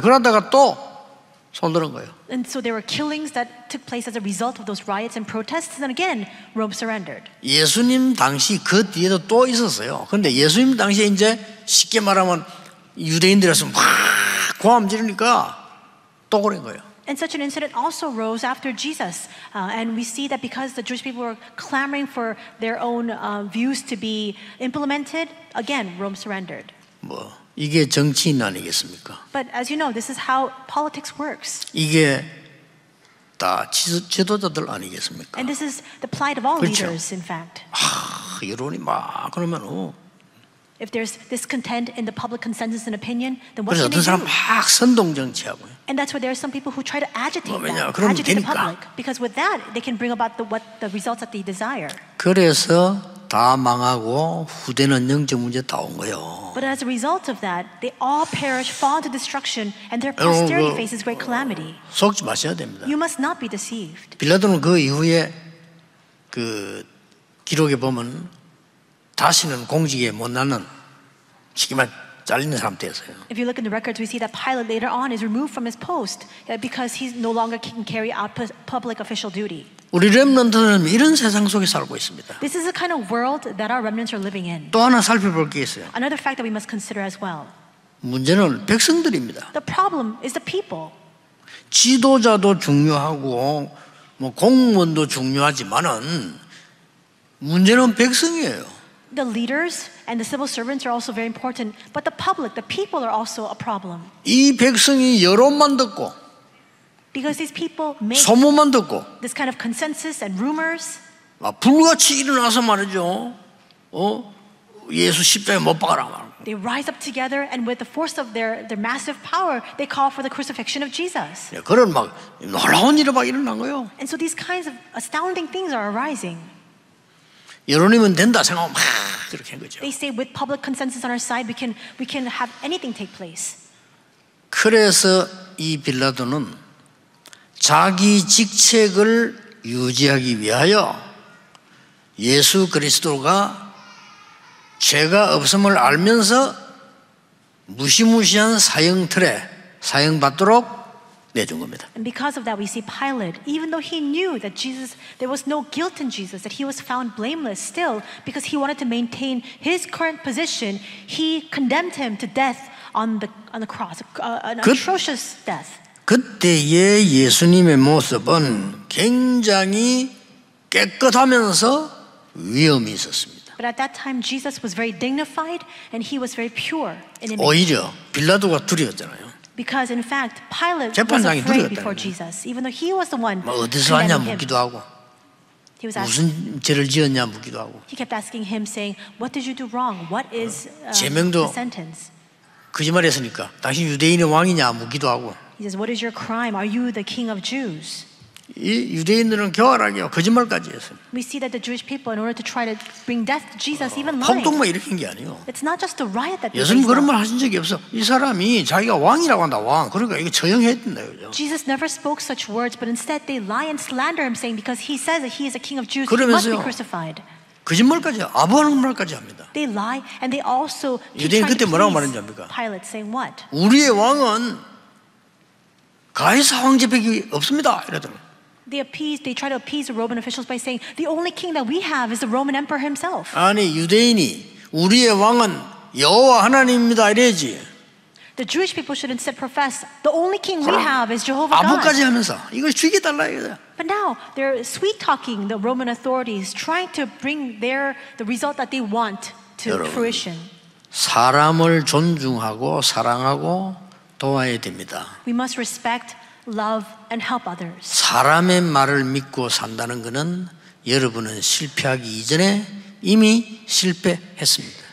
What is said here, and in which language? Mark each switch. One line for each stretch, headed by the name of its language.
Korean: 그러다가 또 손 드는 거예요.
English: And so there were killings that took place as a result of those riots and protests, and again, Rome surrendered.
Korean: 예수님 당시 그 뒤에도 또 있었어요. 그런데 예수님 당시에 이제 쉽게 말하면 유대인들에서 막 고함 지르니까 또 그런 거예요.
English: And such an incident also rose after Jesus, and we see that because the Jewish people were clamoring for their own views to be implemented, again, Rome surrendered.
Korean: 뭐 이게 정치인 아니겠습니까?
English: But as you know, this is how politics works.
Korean: 이게 다 지도자들 아니겠습니까?
English: And this is the plight of all
Korean: 그렇죠?
English: leaders, in fact.
Korean: 아, 여론이 막 그러면
English: If there's discontent in the public consensus and opinion, then what can they do?
Korean: 그래서 어떤 사람 막 선동 정치하고요.
English: And that's where there are some people who try to agitate,
Korean: 뭐 왜냐,
English: that, agitate the public. Because with that, they can bring about the results that they desire.
Korean: 그래서 다 망하고 후대는 영적 문제 다 온 거예요.
English: But as a result of that, they all perish, fall into destruction, and their posterity
Korean: 여러분,
English: faces great calamity.
Korean: 속지 마셔야 됩니다.
English: You must not be deceived.
Korean: 빌라도는 그 이후에 그 기록에 보면 다시는 공직에 못 나는 시기만 잘리는 사람 되었어요.
English: If you look in the records, we see that Pilate later on is removed from his post because he no longer can carry out public official duty.
Korean: 우리 렘넌트는 이런 세상 속에 살고 있습니다.
English: This is the kind of world that our remnants are living in.
Korean: 또 하나 살펴볼 게 있어요.
English: Another fact that we must consider as well.
Korean: 문제는 백성들입니다.
English: The problem is the people.
Korean: 지도자도 중요하고 뭐 공무원도 중요하지만은 문제는 백성이에요.
English: The leaders and the civil servants are also very important, but the public, the people are also a problem.
Korean: 이 백성이 여론만 듣고
English: Because these people make
Korean: 소문만 듣고
English: this kind of consensus and rumors.
Korean: 아, 불같이 일어나서 말이죠. 어? 예수 십자가에 못 박아라.
English: They rise up together and with the force of their massive power, they call for the crucifixion of Jesus.
Korean: 예, 그런 막 놀라운 일이 막 일어난 거예요.
English: And so these kinds of astounding things are arising.
Korean: 여론이면 된다 생각하면 막 그렇게 한 거죠.
English: They say with public consensus on our side, we can have anything take place.
Korean: 그래서 이 빌라도는 자기 직책을 유지하기 위하여 예수 그리스도가 죄가 없음을 알면서 무시무시한 사형틀에 사형받도록 내준 겁니다.
English: And because of that, we see Pilate, even though he knew that Jesus, there was no guilt in Jesus, that he was found blameless still, because he wanted to maintain his current position, he condemned him to death on the cross, an atrocious death.
Korean: 그때의 예수님의 모습은 굉장히 깨끗하면서 위엄이 있었습니다.
English: But at that time, Jesus was very dignified and he was very pure in image.
Korean: 오히려 빌라도가 두려웠잖아요.
English: Because in fact, Pilate was afraid before Jesus, even though he was the one.
Korean: 뭐 어디서 왔냐 묻기도 하고.
English: He was asking,
Korean: 무슨 죄를 지었냐 묻기도 하고.
English: He kept asking him, saying, "What did you do wrong? What is the sentence?"
Korean: 거짓말했으니까 당신 유대인의 왕이냐 묻기도 하고.
English: He says, "What is your crime? Are you the king of Jews?"
Korean: 이 유대인들은 교활하게요. 거짓말까지 했어요.
English: We see that the Jewish people, in order to try to bring death to Jesus, even lied.
Korean: 폭동만 일으킨 게 아니에요.
English: It's not just a riot that.
Korean: 예수님 그런 말 하신 적이 없어. 이 사람이 자기가 왕이라고 한다 왕. 그러니까 이거 처형했던데요.
English: Jesus never spoke such words, but instead they lie and slander him, saying because he says that he is a king of Jews, he must be crucified.
Korean: 거짓말까지 아부하는 말까지 합니다.
English: They lie and they also.
Korean: 유대인 그때 뭐라고 말한 겁니까?
English: Pilate saying what?
Korean: 우리의 왕은 가이사 황제밖에 없습니다. 이러더라고.
English: They try to appease the Roman officials by saying the only king that we have is the Roman emperor himself.
Korean: 아니 유대인이 우리의 왕은 여호와 하나님입니다. 이래야지.
English: The Jewish people should instead profess the only king we have is Jehovah God.
Korean: 아부까지 하면서 이걸 죽여달라 이거야.
English: But now they're sweet talking the Roman authorities, trying to bring the result that they want to
Korean: 여러분,
English: fruition.
Korean: 사람을 존중하고 사랑하고. 도와야 됩니다.
English: We must respect, love, and help others.
Korean: 사람의 말을 믿고 산다는 것은 여러분은 실패하기 이전에 이미 실패했습니다.